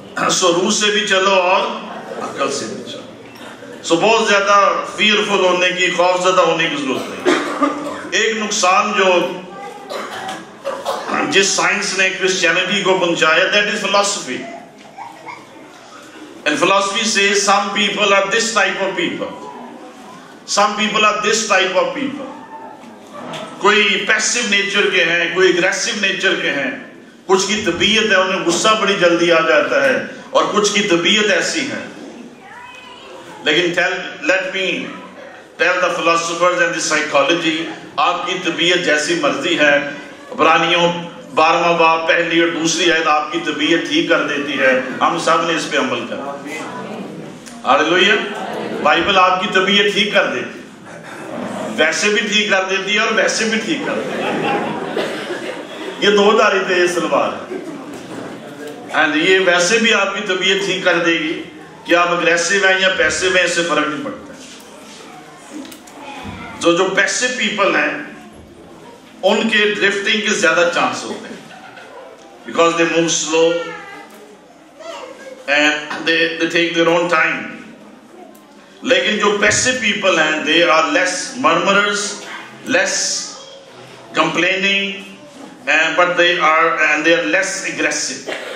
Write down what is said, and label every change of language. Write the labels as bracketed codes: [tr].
[ur] سو روح سے بھی چلو اور عقل سے بھی چلو. سو بہت زیادہ فیئر فل ہونے کی, خوف زدہ ہونے کی ضرورت نہیں. ایک نقصان جو جس سائنس نے کرسچینٹی کو پہنچایا, [en] That is philosophy. And philosophy says some people are this type of people. Some people are this type of people. [ur] کوئی passive nature کے ہیں, کوئی aggressive nature کے ہیں. کچھ کی طبیعت ہے انہیں غصہ بڑی جلدی آ جاتا ہے اور کچھ کی طبیعت ایسی ہے. لیکن [en] let me tell the philosophers and the psychology, [ur] آپ کی طبیعت جیسی مرضی ہے. عبرانیوں 12 باب پہلی اور دوسری آیت آپ کی طبیعت ٹھیک کر دیتی ہے. ہم سب نے اس پہ عمل کرنا. ہللویہ. بائبل آپ کی طبیعت ٹھیک کر دیتی, ویسے بھی ٹھیک کر دیتی ہے اور ویسے بھی ٹھیک کر دیتی. یہ دو داری تھے یہ سلوار, اینڈ یہ ویسے بھی آپ کی طبیعت ٹھیک کر دے گی. کہ آپ اگریسو ہیں یا پیسو ہیں اس سے فرق نہیں پڑتا. جو پیسو پیپل ہیں ان کے ڈرفٹنگ کے زیادہ چانس ہوتے ہیں, [en] Because they move slow and they take their own time. [ur] لیکن جو پیسو پیپل ہیں [en] They are less murmurers, less complaining, but they are and they are less aggressive.